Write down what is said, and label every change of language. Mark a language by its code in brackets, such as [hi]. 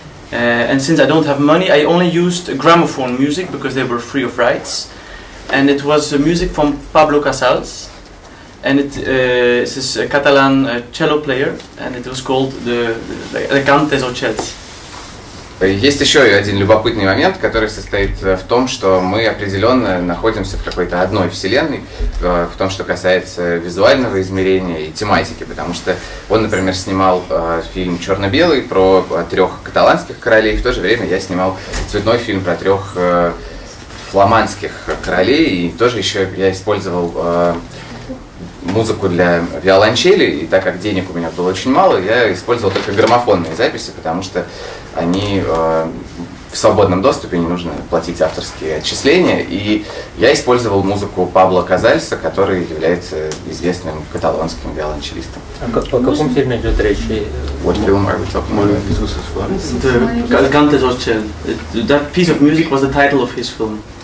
[en] And since I don't have money, I only used gramophone music because they were free of rights. And it was music from Pablo Casals. And it is a Catalan cello player. And it was called the Cantes o Cels. [ru] Есть еще один любопытный момент, который состоит в том, что мы определенно находимся в какой-то одной вселенной, в том, что касается визуального измерения и тематики, потому что он, например, снимал фильм «Черно-белый» про трех каталанских королей, в то же время я снимал цветной фильм про трех фламандских королей, и тоже еще я использовал музыку для виолончели, и так как денег у меня было очень мало, я использовал только граммофонные записи, потому что они в свободном доступе, не нужно платить авторские отчисления. И я использовал музыку Пабло Казальса, который является известным каталонским виолончелистом. О каком фильме идет речь? [en] What film are we talking about? Jesus is Flores. Cantes o Cels. That piece of music was the title of his film.